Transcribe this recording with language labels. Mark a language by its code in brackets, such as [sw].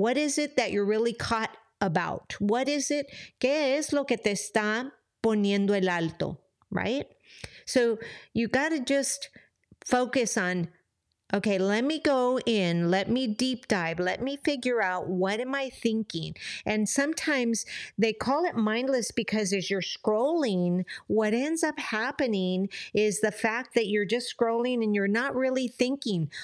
[en] What is it that you're really caught about? What is it? [es] ¿Qué es lo que te está poniendo el alto? [en] Right? So you got to just focus on, okay, let me go in, let me deep dive, let me figure out what am I thinking. And sometimes they call it mindless because as you're scrolling, what ends up happening is the fact that you're just scrolling and you're not really thinking.